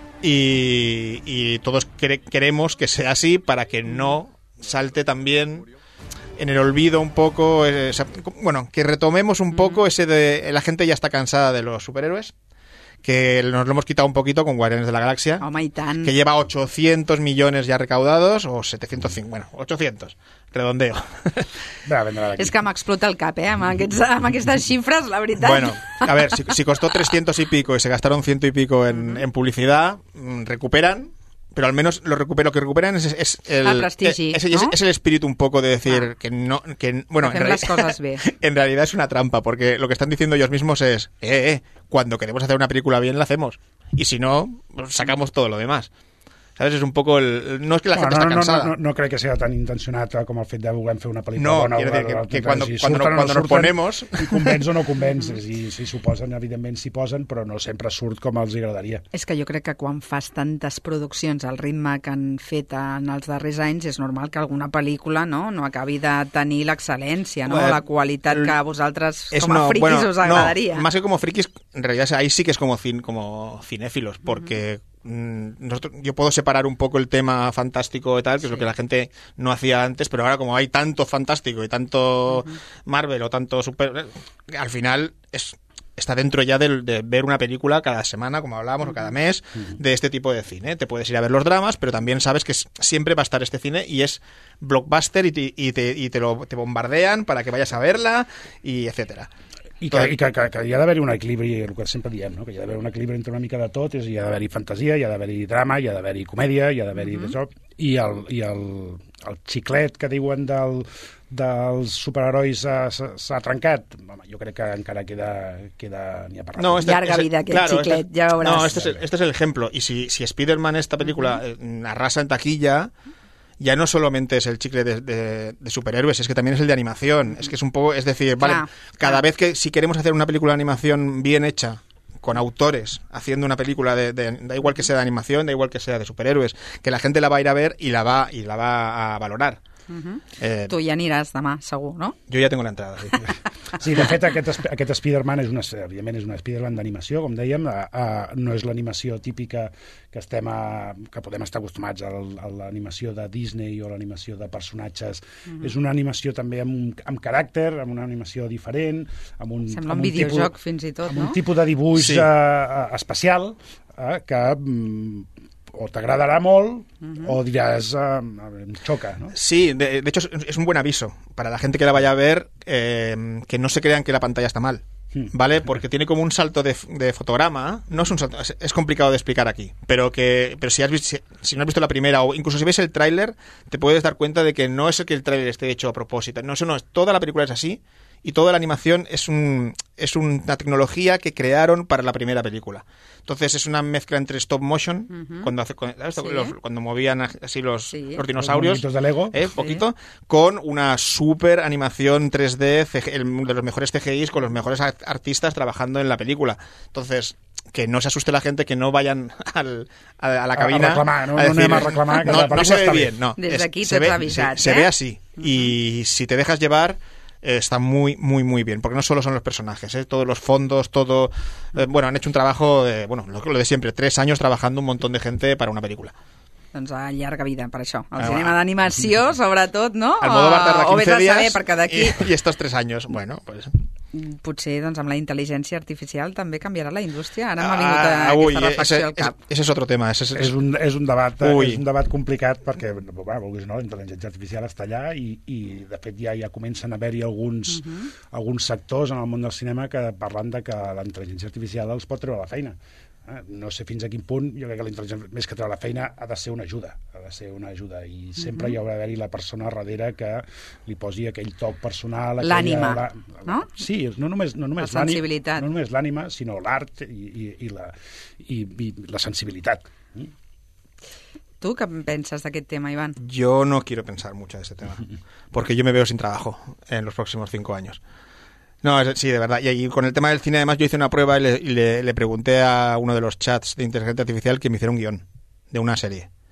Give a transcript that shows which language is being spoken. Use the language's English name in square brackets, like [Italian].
[Spanish] Y todos queremos que sea así para que no salte también en el olvido un poco, que retomemos un poco ese de la gente ya está cansada de los superhéroes, que nos lo hemos quitado un poquito con Guardianes de la Galaxia, que lleva 800 millones ya recaudados, o 750, bueno, 800, redondeo. [Catalan] Es que me explota el cap, amb aquestes xifres, la veritat. [Spanish] Bueno, a ver, si costó 300 y pico y se gastaron 100 y pico en publicidad, recuperan, pero al menos lo que recuperan es el [Catalan] prestigi, [Spanish] es, ¿no? es el espíritu un poco de decir que en realidad, las cosas bien. En realidad es una trampa, porque lo que están diciendo ellos mismos es cuando queremos hacer una película bien la hacemos, y si no, sacamos todo lo demás. ¿Sabes? Es un poco el... No es que la gente está cansada. [Catalan] No crec que sigui tan intencionat com el fet de voler fer una pel·lícula bona. [Spanish] No, quiero decir que [Catalan] quan [Spanish] nos ponemos... [Catalan] Si convenç o no convenç. Si s'ho posen, evidentment s'hi posen, però no sempre surt com els agradaria. És que jo crec que quan fas tantes produccions al ritme que han fet en els darrers anys, és normal que alguna pel·lícula no acabi de tenir l'excel·lència, no? La qualitat que a vosaltres com a friquis us agradaria. [Spanish] Más que como friquis, en realidad ahí sí que es como cinéfilos, porque... yo puedo separar un poco el tema fantástico y tal, que sí. es lo que la gente no hacía antes, pero ahora como hay tanto fantástico y tanto Marvel o tanto super, al final está dentro ya de ver una película cada semana, como hablábamos, o cada mes, de este tipo de cine. Te puedes ir a ver los dramas, pero también sabes que siempre va a estar este cine y es blockbuster y te bombardean para que vayas a verla y etcétera. [Catalan] I que hi ha d'haver-hi un equilibri, el que sempre diem, no? Que hi ha d'haver-hi un equilibri entre una mica de tot, és, hi ha d'haver-hi fantasia, hi ha d'haver-hi drama, hi ha d'haver-hi comèdia, hi ha d'haver-hi d'això, i el xiclet que diuen dels superherois s'ha trencat. Home, jo crec que encara queda ni a parlar. No, llarga vida, aquest [Spanish] claro, [Catalan] xiclet, [Spanish] este, [Catalan] ja veuràs. [Spanish] No, este es el ejemplo. [Catalan] I si [Spanish] Spider-Man, esta película, arrasa en taquilla... Ya no solamente es el chicle de superhéroes, es que también es el de animación. Es que es un poco, es decir, claro, vale, cada vez que, si queremos hacer una película de animación bien hecha, con autores, haciendo una película de da igual que sea de animación, da igual que sea de superhéroes, que la gente la va a ir a ver y la va a valorar. [Catalan] Tu ja aniràs demà, segur, no? Jo ja tinc l'entrada. Sí. Sí, de fet, aquest Spider-Man és una Spider-Man d'animació, com dèiem. No és l'animació típica que podem estar acostumats a l'animació de Disney o l'animació de personatges. Uh-huh. És una animació també amb caràcter, amb una animació diferent. Sembla un videojoc, fins i tot, amb un tipus de dibuix especial que... o t'agradarà molt, o diràs, em xoca, no? [Spanish] Sí, de hecho es un buen aviso para la gente que la vaya a ver, que no se crean que la pantalla está mal, ¿vale? Porque tiene como un salto de fotograma, no es un salto, es complicado de explicar aquí, pero si no has visto la primera, o incluso si ves el tráiler, te puedes dar cuenta de que no es el que el tráiler esté hecho a propósito, no, toda la película es así, y toda la animación es una tecnología que crearon para la primera película. Entonces es una mezcla entre stop motion, cuando movían así los dinosaurios, los de Lego, poquito, con una super animación 3D, de los mejores CGIs, con los mejores artistas trabajando en la película. Entonces, que no se asuste la gente, que no vayan a la cabina a reclamar, ¿no? A decir, [Catalan] no anem a reclamar, que [Spanish] no, la película no se ve [Catalan] està [Spanish] bien. No. [Catalan] Des d'aquí [Spanish] se ve así. Y si te dejas llevar, está muy, muy, muy bien. Porque no solo son los personajes, ¿eh? Todos los fondos, todo... bueno, han hecho un trabajo, bueno, lo de siempre, [Catalan] 3 anys [Spanish] trabajando un montón de gente para una película. [Catalan] Doncs a llarga vida, per això. El cinema d'animació, sobretot, no? El Modo Bar tarda 15 dies d'aquí... [Spanish] i estos 3 anys. Bueno, pues... [Catalan] Potser doncs, amb la intel·ligència artificial també canviarà la indústria. Ara m'ha vingut aquesta reflexió al cap. [Spanish] Ese [Catalan] és [Spanish] otro tema. [Catalan] És un debat complicat perquè, vulguis no, la intel·ligència artificial està allà i de fet ja comencen a haver-hi alguns sectors en el món del cinema que parlen de que la intel·ligència artificial els pot treure la feina. No sé fins a quin punt, jo crec que l'intel·ligència, més que treure la feina, ha de ser una ajuda, i sempre hi haurà d'haver-hi la persona darrere que li posi aquell toc personal, aquella... L'ànima, la... no? Sí, no només l'ànima, sinó l'art i la sensibilitat. [Spanish] ¿Tú qué piensas de este tema, Iván? Yo no quiero pensar mucho de este tema, porque yo me veo sin trabajo en los próximos 5 años. No, sí, de verdad. Y con el tema del cine, además, yo hice una prueba y le pregunté a uno de los chats de inteligencia artificial que me hiciera un guión de una serie.